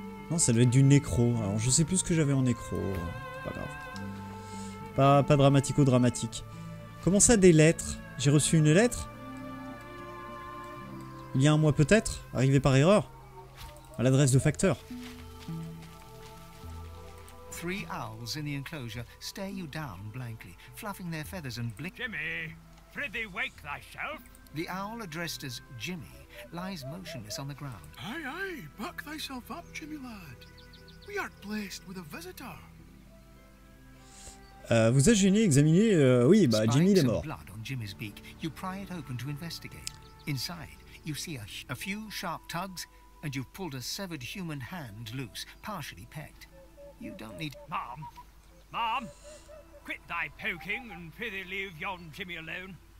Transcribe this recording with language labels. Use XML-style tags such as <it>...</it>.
<fr>Non, ça devait être du nécro. Alors, je sais plus ce que j'avais en nécro. Pas grave. Pas dramatico-dramatique. Comment ça, des lettres? J'ai reçu une lettre? Il y a un mois peut-être, arrivé par erreur, à l'adresse de facteur.</fr> <en>Three owls in the enclosure stare you down blankly, fluffing their feathers and blink. Jimmy, prithee wake thyself. The owl addressed as Jimmy lies motionless on the ground. Aye, aye, buck thyself up, Jimmy lad. We are blessed with a visitor.</en> <fr>Vous êtes venu examiner, oui, bah Jimmy est mort.</fr> <en>Blood on Jimmy's beak. You pry it open to investigate. Inside. You see a few sharp tugs, and you've pulled a severed human hand loose, partially pecked. You don't need... Mom! Mom! Quit thy poking, and prithee leave yon Jimmy alone.</en>